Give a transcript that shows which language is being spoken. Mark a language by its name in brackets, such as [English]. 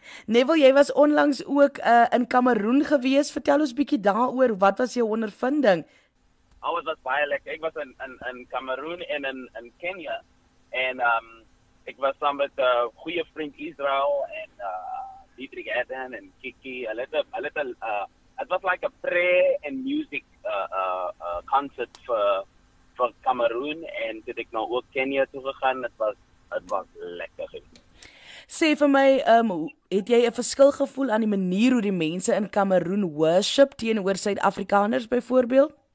[Afrikaans] Neville, jy was onlangs ook in Kameroen gewees. Vertel ons bietjie daaroor. Wat was jou ondervinding? Alles was baie lekker. Ek was in Kameroen en in Kenia. En ek was saam met 'n goeie vriend Israel en Dietrich Eden en Kiki. [English] It was like a prayer and music concert for Kameroen. [Afrikaans] En dit ek nou ook Kenia toe gegaan. Het was lekker geweest. Sê vir my, het jy 'n verskil gevoel aan die manier hoe die mense in Kameroen worship teenoor Suid-Afrikaners byvoorbeeld?